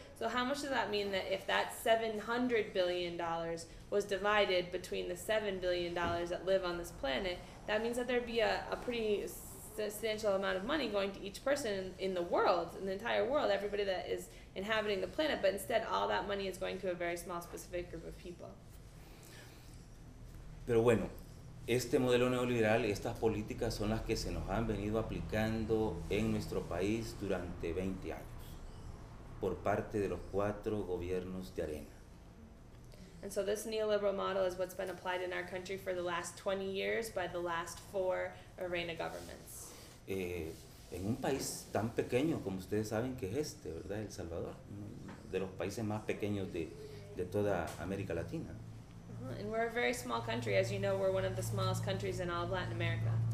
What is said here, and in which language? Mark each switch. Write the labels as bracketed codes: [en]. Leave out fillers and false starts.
[en] So how much does that mean that if that $700 billion was divided between the $7 billion that live on this planet, that means that there'd be a pretty substantial amount of money going to each person in the world, in the entire world, everybody that is inhabiting the planet, but instead all that money is going to a very small specific group of people. [es] Pero bueno, este modelo neoliberal, estas políticas son las que se nos han venido aplicando en nuestro país durante 20 años por parte de los cuatro gobiernos de arena. [en] And so this neoliberal model is what's been applied in our country for the last 20 years by the last four arena governments. [es] En un país tan pequeño como ustedes saben que es este, ¿verdad? El Salvador, de los países más pequeños de toda América Latina. [en] And we're a very small country, as you know, we're one of the smallest countries in all of Latin America.